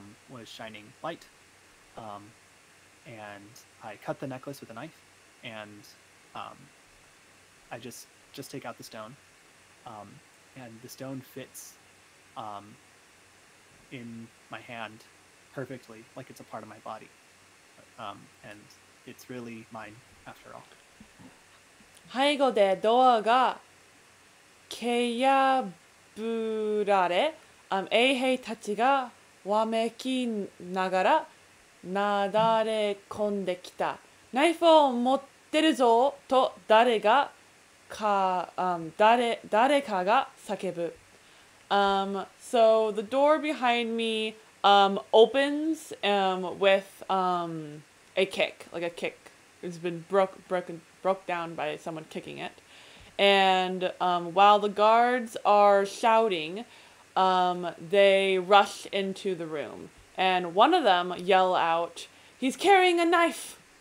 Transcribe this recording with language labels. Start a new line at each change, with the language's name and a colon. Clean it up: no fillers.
English: Was shining light, and I cut the necklace with a knife, and I just take out the stone, and the stone fits in my hand perfectly, like it's a part of my body, and it's really mine after all.
Japanese: 背後でドアが蹴破られ、衛兵たちがわめきながらなだれ込んできた。ナイフを持ってるぞと誰かが叫ぶ。
English: So the door behind me opens with a kick, like a kick. It's been broken down by someone kicking it. And while the guards are shouting,they rush into the room, and one of them yell out, "He's carrying a knife!"